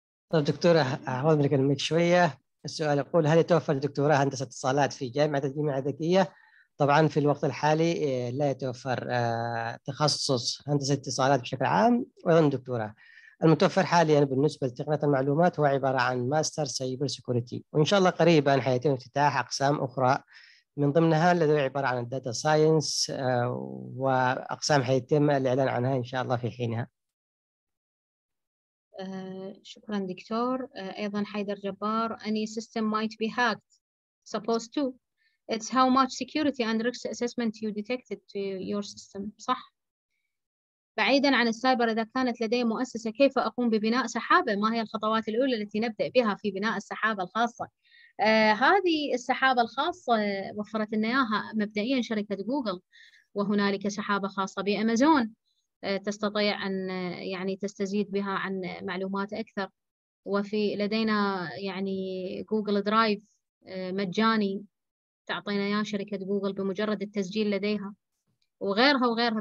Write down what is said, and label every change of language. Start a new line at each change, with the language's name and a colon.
Arabic: طب دكتورة، أحاول منك المايك شوية. السؤال يقول هل يتوفر دكتورة هندسة اتصالات في جامعة الجامعة الذكية؟ طبعا في الوقت الحالي لا يتوفر تخصص هندسة اتصالات بشكل عام، وأيضا دكتوره المتوفر حاليا يعني بالنسبة لتقنية المعلومات هو عبارة عن ماستر سايبر سيكوريتي، وإن شاء الله قريبا حيتم افتتاح أقسام أخرى من ضمنها الذي عبارة عن الداتا ساينس، وأقسام حيتم الإعلان عنها إن شاء الله في حينها. شكرا دكتور. أيضا
English: حيدر جبار، any system might be hacked supposed to. It's how much security and risk assessment you detected to your system.
Arabic: صح؟ بعيداً عن السايبر، إذا كانت لدي مؤسسة كيف أقوم ببناء سحابة؟ ما هي الخطوات الأولى التي نبدأ بها في بناء السحابة الخاصة؟ هذه السحابة الخاصة وفرت لنا إياها مبدئياً شركة جوجل، وهنالك سحابة خاصة بأمازون تستطيع أن يعني تستزيد بها عن معلومات أكثر، وفي لدينا يعني جوجل درايف مجاني تعطينا إياه شركة جوجل بمجرد التسجيل لديها، وغيرها وغيرها.